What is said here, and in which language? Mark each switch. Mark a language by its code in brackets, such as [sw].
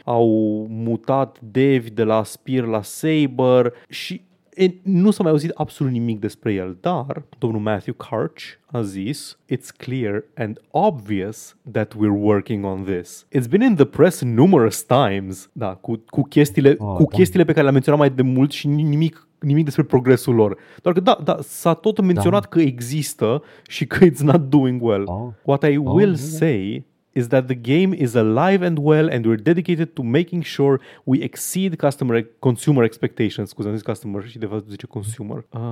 [ro] Au mutat dev de la Spear la Saber și nu s-a mai auzit absolut nimic despre el, dar domnul Matthew Karch a zis: "It's clear and obvious that we're working on this. [en] It's been in the press numerous times." [ro] Da, cu chestiile pe care le-am menționat mai de mult și nimic despre progresul lor. Doar că da, s-a tot menționat că există și că it's not doing well. Oh. [en] What I will say is that the game is alive and well and we're dedicated to making sure we exceed consumer expectations. [ro] Scuze, am zis customer și de fapt zice consumer.